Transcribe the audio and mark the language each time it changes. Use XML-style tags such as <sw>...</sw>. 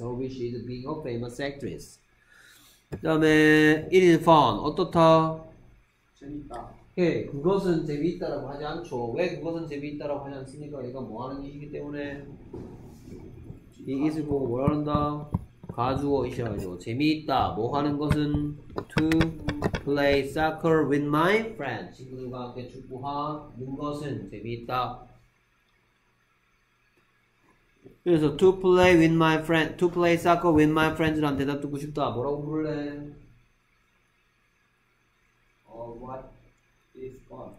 <en>Her wish is being a famous actress.</en> <ko>그 다음에</ko> <en>it is fun.</en> <ko>어떻다? 재밌다. 예, 그것은 재미있다라고 하지 않죠. 왜 그것은 재미있다라고 하지 않습니까? 얘가 뭐 하는 일이기 때문에</ko> <en>It is</en> <ko>뭐 한다? 가주어 이셔야죠. 재미있다. 뭐 하는 것은</ko> <en>to play soccer with my friends.</en> <ko>친구들과 함께 축구하는 것은 재미있다. 그래서</ko> <en>to play with my friend, to play soccer with my friends</en> <ko>란 대답 듣고 싶다. 뭐라고 부를래?</ko> <en>What is fun?</en>